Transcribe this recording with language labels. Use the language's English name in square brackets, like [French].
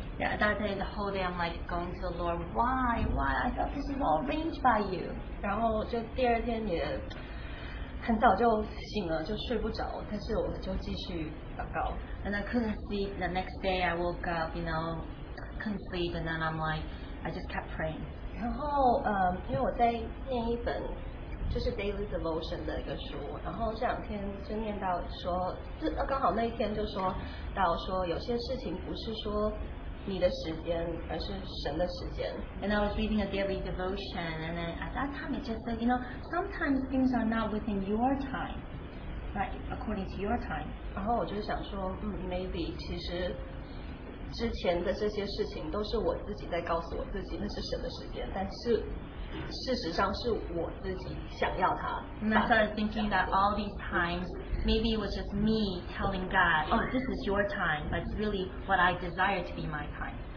[English] Yeah, that day the whole day I'm like going to the Lord, why? I thought this is all arranged by you. [Chinese] 然后就第二天也很早就醒了，就睡不着，但是我就继续祷告。 [English] And I couldn't sleep. The next day I woke up, you know, couldn't sleep, and then I'm like, I just kept praying. [Chinese] 然后, 因为我在念一本, 就是Daily Devotion的一个书, 然后这两天就念到说, 刚好那一天就说到说, 有些事情不是说你的时间, 而是神的时间。 [English] And I was reading a Daily Devotion, and then at that time it just said, you know, sometimes things are not within your time, right, according to your time. [Chinese] 然后我就想说, maybe, 其实, 之前的这些事情都是我自己在告诉我自己那是神的时间，但是事实上是我自己想要它。 [English] And I started thinking that all these times, maybe it was just me telling God, oh, this is your time, but it's really what I desire to be my time.